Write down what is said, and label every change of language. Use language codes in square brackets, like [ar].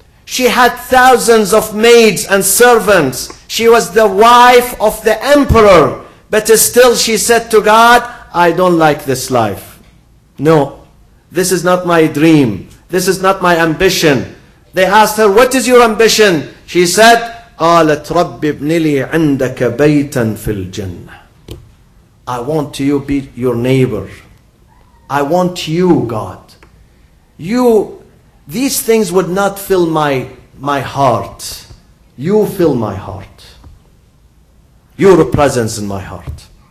[en] She had thousands of maids and servants. She was the wife of the emperor. But still she said to God, I don't like this life. No, this is not my dream. This is not my ambition. They asked her, what is your ambition? She said, [ar] قَالَتْ رَبِّ ابْنِ لِي عِنْدَكَ بَيْتًا فِي الْجَنَّةِ. [en] I want to be your neighbor. I want you, God. You, these things would not fill my heart. You fill my heart. Your presence in my heart.